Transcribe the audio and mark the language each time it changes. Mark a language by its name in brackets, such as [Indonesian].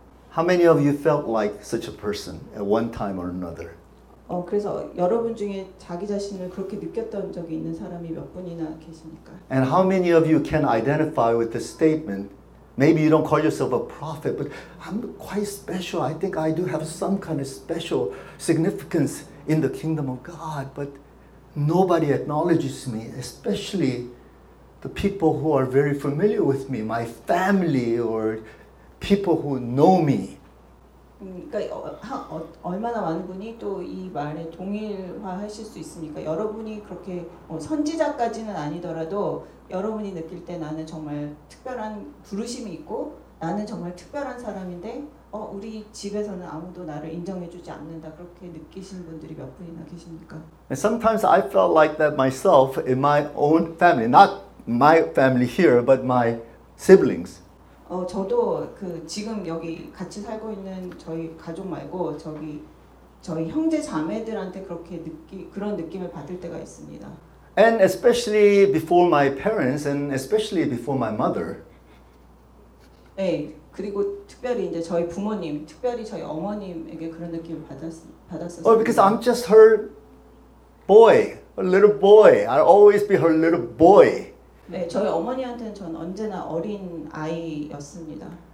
[English] How many of you felt like such a person at one time or another? [Korean] 그래서 여러분 중에 자기 자신을 그렇게 느꼈던 적이 있는 사람이 몇 분이나 계십니까? [English] And how many of you can identify with the statement? Maybe you don't call yourself a prophet, but I'm quite special. I think I do have some kind of special significance in the kingdom of God, but nobody acknowledges me, especially the people who are very familiar with me, my family or people who know me. [Korean] 그러니까 얼마나 많은 분이 또 이 말에 동일화하실 수 있습니까? 여러분이 그렇게 선지자까지는 아니더라도 여러분이 느낄 때 나는 정말 특별한 부르심이 있고 나는 정말 특별한 사람인데 우리 집에서는 아무도 나를 인정해주지 않는다 그렇게 느끼신 분들이 몇 분이나 계십니까? [English] And sometimes I felt like that myself in my own family, not my family here, but my siblings. [Korean] 저도 그 지금 여기 같이 살고 있는 저희 가족 말고 저희 형제 자매들한테 그렇게 그런 느낌을 받을 때가 있습니다. [English] And especially before my parents and especially before my mother. [Korean] 네, 그리고 특별히 이제 저희 부모님, 특별히 저희 어머님에게 그런 느낌을 받았었어요. [English] Oh, because I'm just her boy, a little boy. I'll always be her little boy. [Korean] 네, 저희 어머니한테는 전 언제나 어린 아이였습니다.